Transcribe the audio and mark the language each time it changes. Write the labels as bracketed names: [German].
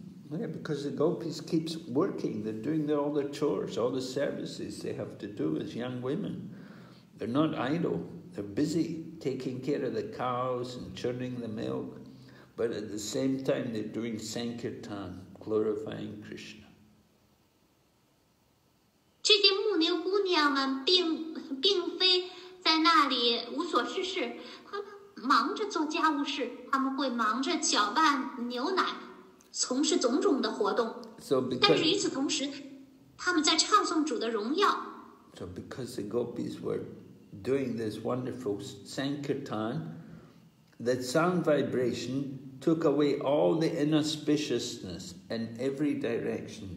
[English] Because the gopis keeps working, they're doing all the chores, all the services they have to do as young women. They're not idle, they're busy taking care of the cows and churning the milk, but at the same time they're doing sankirtan, glorifying Krishna. [Chinese] 这些牧牛姑娘们并非在那里无所事事，他们忙着做家务事，他们会忙着搅拌牛奶，从事种种的活动。 [English] So、because, [Chinese] 但是与此同时，他们在唱颂主的荣耀。 [English] So because the gopis were doing this wonderful sankirtan, the sound vibration took away all the inauspiciousness in every direction.